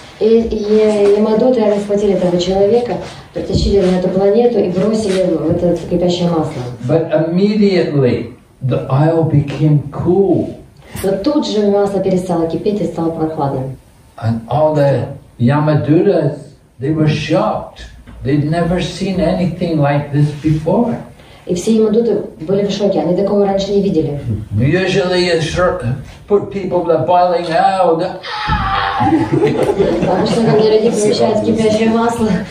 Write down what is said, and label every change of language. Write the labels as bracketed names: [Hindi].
[Russian] Ямадуты расхватили этого человека, притащили на эту планету и бросили в это кипящее масло. [English] But immediately the oil became cool. [Russian] Но тут же масло перестало кипеть и стало прохладным. [English] And all the Yamaduras, they were shocked. They'd never seen anything like this before. [Russian] И все Ямадуты были в шоке, они такого раньше не видели. [English] Usually you should put people that boiling oil. [Russian] Потому что когда люди помещают кипящее масло,